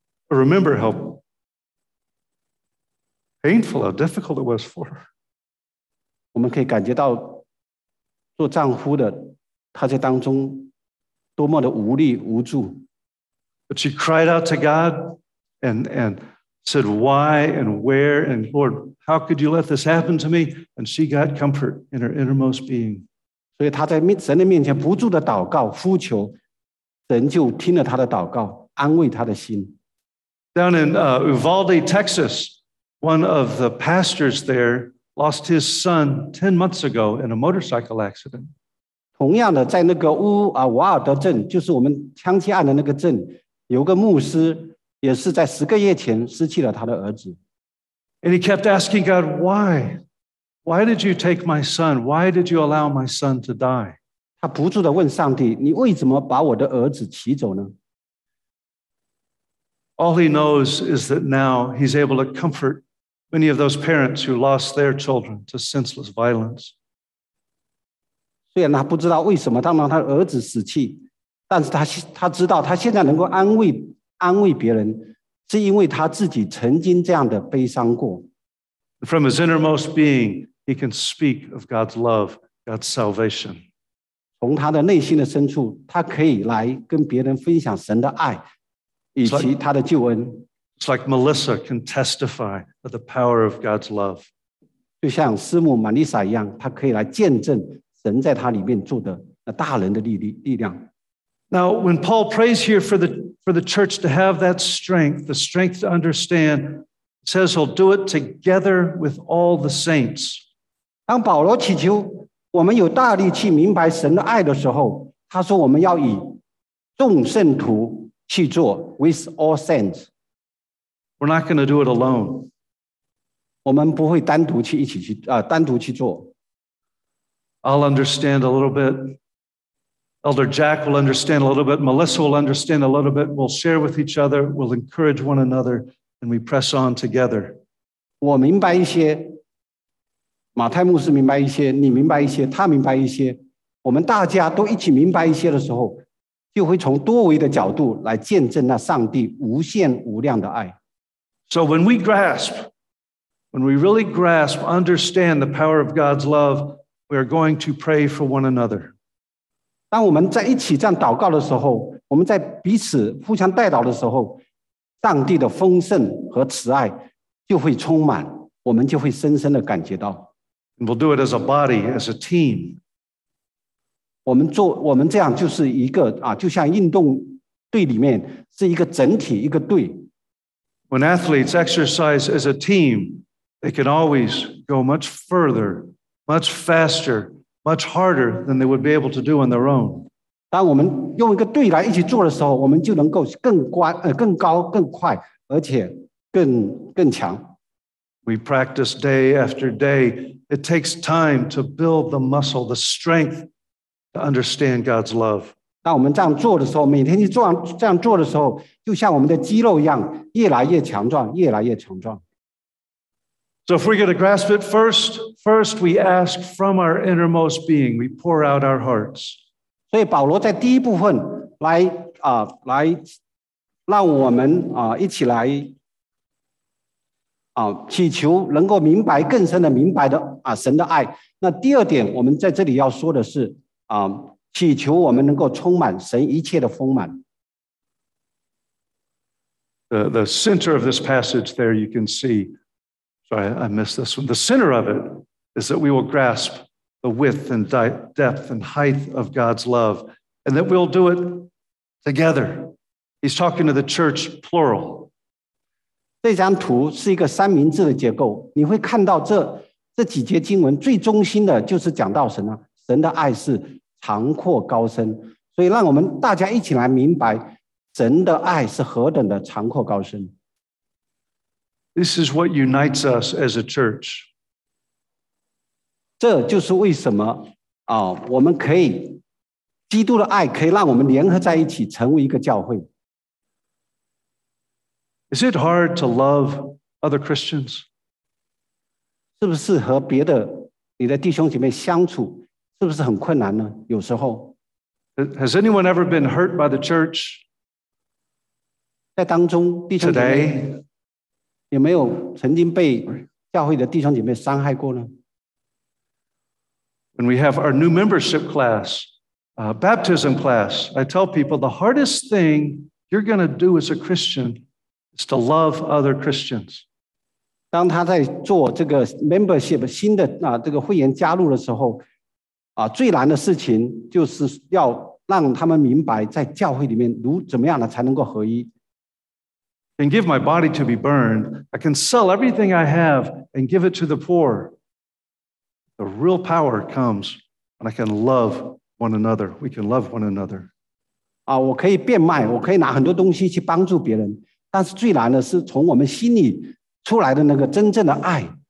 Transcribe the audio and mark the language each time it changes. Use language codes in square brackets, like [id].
[en] Remember how painful, how difficult it was for her. [zh] 我们可以感觉到做丈夫的他在当中多么的无力无助。 [en] But she cried out to God and said, "Why and where and Lord, how could you let this happen to me?" And she got comfort in her innermost being. [zh] 所以她在神的面前不住的祷告呼求，神就听了她的祷告，安慰她的心。 [en] Down in Uvalde, Texas, one of the pastors there lost his son 10 months ago in a motorcycle accident. [zh] 同样的，在那个乌啊瓦尔德镇，就是我们枪击案的那个镇，有个牧师也是在十个月前失去了他的儿子。 [en] And he kept asking God, "Why? Why did you take my son? Why did you allow my son to die?" [zh] 他不住地问上帝，你为什么把我的儿子取走呢？ [en] All he knows is that now he's able to comfort many of those parents who lost their children to senseless violence. [zh] 虽然他不知道为什么，当然他儿子死去，但是他知道他现在能够安慰别人，是因为他自己曾经这样的悲伤过。 [en] From his innermost being, he can speak of God's love, God's salvation. [zh] 从他的内心的深处，他可以来跟别人分享神的爱。 [en] It's like Melissa can testify of the power of God's love. [zh] 就像师母玛丽莎一样，她可以来见证神在她里面做的那大能的力量。 [en] Now, when Paul prays here for the church to have that strength, the strength to understand, says he'll do it together with all the saints. [zh] 当保罗祈求我们有大力去明白神的爱的时候，他说我们要以众圣徒。去做 [en] with all saints. We're not going to do it alone. [zh] 我们不会单独去一起去啊，单独去做。 [en] I'll understand a little bit. Elder Jack will understand a little bit. Melissa will understand a little bit. We'll share with each other. We'll encourage one another, and we press on together. [zh] 我明白一些，马太牧师明白一些，你明白一些，他明白一些。我们大家都一起明白一些的时候。就会从多维的角度来见证那上帝无限无量的爱。 [en] So when we really grasp, understand the power of God's love, we are going to pray for one another. [zh] 当我们在一起这样祷告的时候，我们在彼此互相代祷的时候，上帝的丰盛和慈爱就会充满，我们就会深深的感觉到。 [en] And we'll do it as a body, as a team. [zh] 我们这样就是一个啊，就像运动队里面是一个整体一个队。 [en] When athletes exercise as a team, they can always go much further, much faster, much harder than they would be able to do on their own. [zh] 当我们用一个队来一起做的时候，我们就能够更高、更快，而且更强。 [en] We practice day after day. It takes time to build the muscle, the strength. To understand God's love. [zh] 当我们这样做的时候，每天去做这样做的时候，就像我们的肌肉一样，越来越强壮，越来越强壮。 [en] So if we're going to grasp it first, we ask from our innermost being. We pour out our hearts. [zh] 所以保罗在第一部分来啊、来让我们啊、一起来啊、祈求能够明白更深的明白的啊、神的爱。那第二点，我们在这里要说的是。祈求我们能够充满神一切的丰满。 [en] The center of this passage there you can see, sorry, I missed this one. The center of it is that we will grasp the width and depth and height of God's love and that we'll do it together. He's talking to the church, plural. [zh] 这张图是一个三明治的结构，你会看到这这几节经文最中心的就是讲到神啊，神的爱是长阔高深，所以让我们大家一起来明白神的爱是何等的长阔高深。 [en] This is what unites us as a church. [zh] 这就是为什么啊，我们可以基督的爱可以让我们联合在一起成为一个教会。 [en] Is it hard to love other Christians? [zh] 是不是和别的你的弟兄姐妹相处是不是很困难呢？有时候。 [en] Has anyone ever been hurt by the church? [zh] 在当中弟兄姐妹。 [en] Today, [zh] 有没有曾经被教会的弟兄姐妹伤害过呢？ [en] When we have our new membership class, baptism class, I tell people the hardest thing you're going to do as a Christian is to love other Christians. [zh] 当他在做这个 membership 新的啊这个会员加入的时候，啊最难的事情就是要让他们明白在教会里面如怎么样的才能够合一。 [en] And give my body to be burned. I can sell everything I have and give it to the poor. The real power comes when I can love one another. We can love one another. [zh] 啊，我可以变卖，我可以拿很多东西去帮助别人，但是最难的是从我们心里出来的那个真正的爱。